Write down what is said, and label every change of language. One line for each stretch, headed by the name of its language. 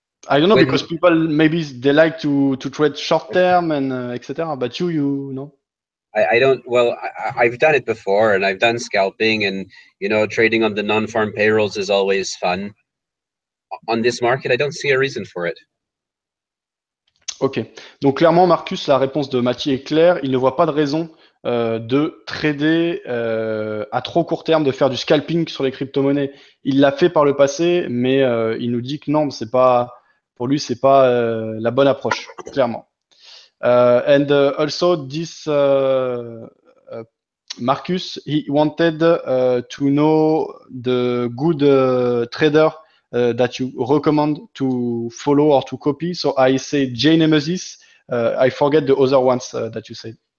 English: I don't know, because people maybe they like to trade short term and etc. But you know? I don't. Well, I've done it before and I've done scalping and, you know, trading on the non-farm payrolls is always fun. On this market, I don't see a reason for it. Ok.
French: Donc clairement, Marcus, la réponse de Mathieu est claire. Il ne voit pas de raison de trader à trop court terme, de faire du scalping sur les crypto-monnaies. Il l'a fait par le passé, mais il nous dit que non, c'est pas pour lui, c'est pas la bonne approche, clairement.
English: And also, this Marcus, he wanted to know the good trader that you recommend to follow or to copy. So I say Jay Nemesis. I forget the other ones that you said.